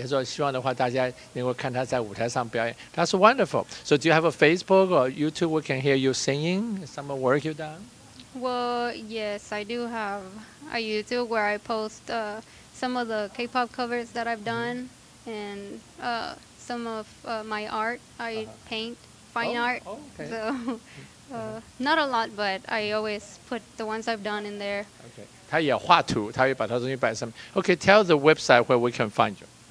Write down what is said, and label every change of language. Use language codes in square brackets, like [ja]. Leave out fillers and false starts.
[zh] 他说希望的话大家能够看他在舞台上表演. [en] That's wonderful. So do you have a Facebook or YouTube? We can hear you singing some work you've done. Well, yes, I do have a YouTube where I post some of the K-pop covers that I've done and some of my art. I paint fine art. Okay. So not a lot, but I always put the ones I've done in there. Okay. [zh] 他也画图，他也把他东西摆上面. [en] Okay, tell the website where we can find you.